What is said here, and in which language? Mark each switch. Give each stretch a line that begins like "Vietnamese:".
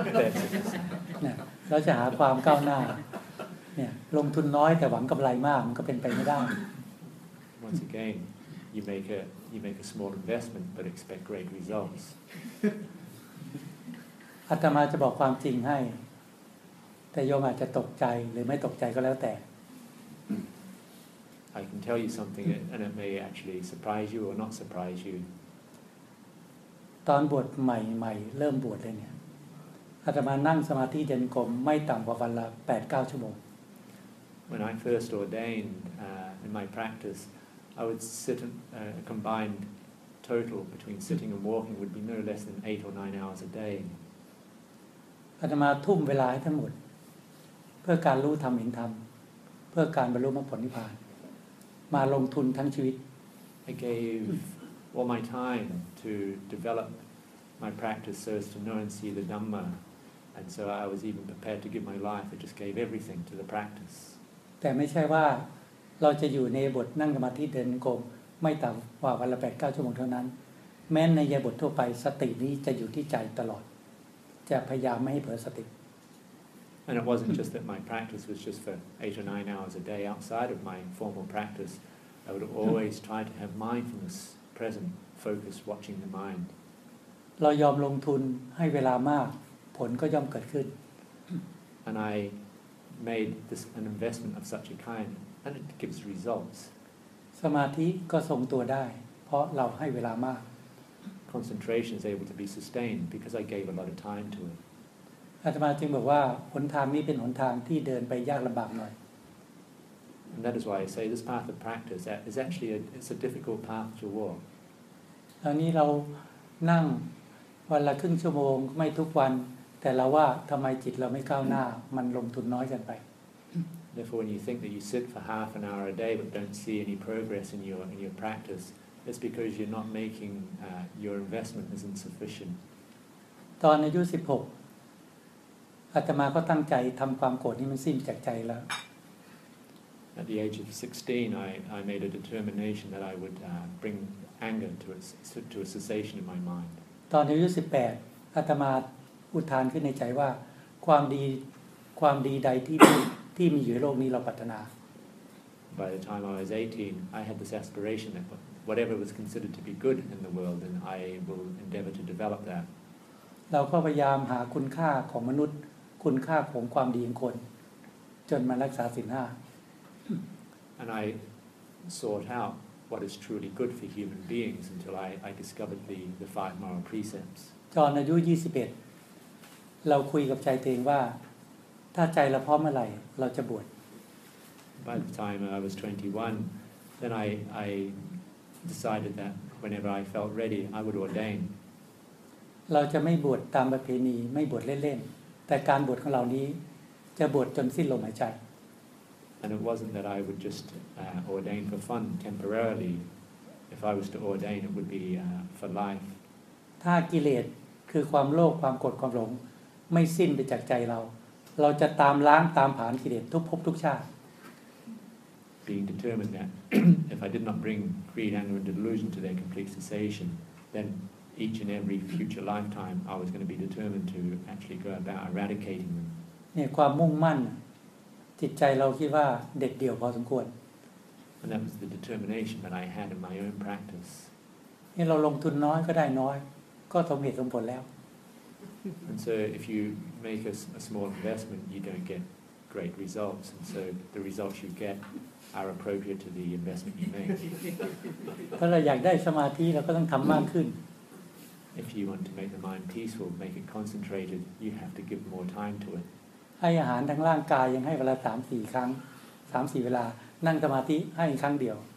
English: I think so.
Thai: เราจะหาความก้าวหน้าเนี่ยลงทุนน้อยแต่หวังกำไรมากมันก็เป็นไปไม่ได้
English: Once again, you make a small investment but expect great results.
Thai: อาตมาจะบอกความจริงให้แต่โยมอาจจะตกใจหรือไม่ตกใจก็แล้วแต่
English: I can tell you something and it may actually surprise you or not surprise you.
Thai: ตอนบวชใหม่ๆเริ่มบวชเลยเนี่ยอาตมานั่งสมาธิเดินกรมไม่ต่ำกว่าวันละ 8-9 ชั่วโมง
English: When I first ordained in my practice I would sit a combined total between sitting and walking would be no less than 8 or 9 hours a day.
Thai: อาตมาทุ่มเวลาทั้งหมดเพื่อการรู้ธรรมเห็นธรรมเพื่อการบรรลุมรรคผลนิพพานมาลงทุนทั้งชีวิต
English: I gave all my time to develop my practice so as to know and see the Dhamma and so I was even prepared to give my life I just gave everything to the practice
Thai: แต่ไม่ใช่ว่าเราจะอยู่ในบทนั่งสมาธิเดินโกมไม่ต่ำกว่าวันละ 8-9 ชั่วโมงเท่านั้นแม้ในยาบททั่วไปสตินี้จะอยู่ที่ใจตลอดจะพยายามไม่ให้เผลอสติ
English: And it wasn't just that my practice was just for 8 or 9 hours a day outside of my formal practice I would always try to have mindfulness present focus watching the mind
Thai: เรายอมลงทุนให้เวลามากผลก็ย่อมเกิดขึ้น
English: And I made this an investment of such a kind and it gives results
Thai: สมาธิก็ทรงตัวได้เพราะเราให้เวลามาก
English: Concentration is able to be sustained because I gave a lot of time to it.
Thai: อาตมาจึงบอกว่าหนทางนี้เป็นหนทางที่เดินไปยากลำบากหน่อย
English: And that is why I say this path of practice is actually it's a difficult path to walk.
Thai: ตอนนี้เรานั่งวันละครึ่งชั่วโมงไม่ทุกวันแต่เราว่าทำไมจิตเราไม่ก้าวหน้ามันลงทุนน้อยเกินไป
English: Therefore, when you think that you sit for half an hour a day but don't see any progress in your practice, it's because you're not making your investment is insufficient.
Thai: ตอนอายุ16อาตมาก็ตั้งใจทำความโกรธให้มันสิ้นจากใจแล้ว
English: At the age of 16, I made a determination that I would bring anger to a cessation in my mind.
Thai: ตอนอายุ18อาตมาอุทานขึ้นในใจว่าความดีใดที่ดีที่มีอยู่ในโลกนี้เราปรารถนา
English: By the time I was 18 I had this aspiration that whatever was considered to be good in the world and I will endeavor to develop that
Thai: เราก็พยายามหาคุณค่าของมนุษย์คุณค่าของความดีของคนจนมารักษาศีล5
English: And I sought out what is truly good for human beings until I discovered the five moral precepts
Thai: ตอนอายุ21เราคุยกับใจตัวเองว่าถ้าใจเราพร้อมเมื่อไหร่เราจะบวช
English: By the time I was 21 then I decided that whenever I felt ready I would ordain
Thai: เราจะไม่บวชตามประเพณีไม่บวชเล่นๆแต่การบวชของเรานี้จะบวชจนสิ้นลมหายใจ
English: And it wasn't that I would just ordain for fun temporarily if I was to ordain it would be for life
Thai: ถ้ากิเลสคือความโลภความโกรธความหลงไม่สิ้นไปจากใจเราจะตามล้างตามผ่านกิเลสทุกภพทุกชาติ
English: Being determined that if I did not bring greed, anger, and delusion to their complete cessation, then each and every future lifetime I was going to be determined to actually go about eradicating them.
Thai: เนี่ยความมุ่งมั่นจิตใจเราคิดว่าเด็ดเดี่ยวพอสมควร
English: And that was the determination that I had in my own practice.
Thai: นี่เราลงทุนน้อยก็ได้น้อยก็สมเหตุสมผลแล้ว
English: And so if you make a small investment, you don't get great results. And so the results you get are appropriate to the investment you make.
Thai: ถ้าเราอยากได้สมาธิเราก็ต้องทำมากขึ้น
English: If you want to make the mind peaceful, make it concentrated, you have to give more time to it.
Thai: ให้อาหารทั้งร่างกายยังให้เวลา 3-4 ครั้ง 3-4 เวลานั่งสมาธิให้ครั้งเดียว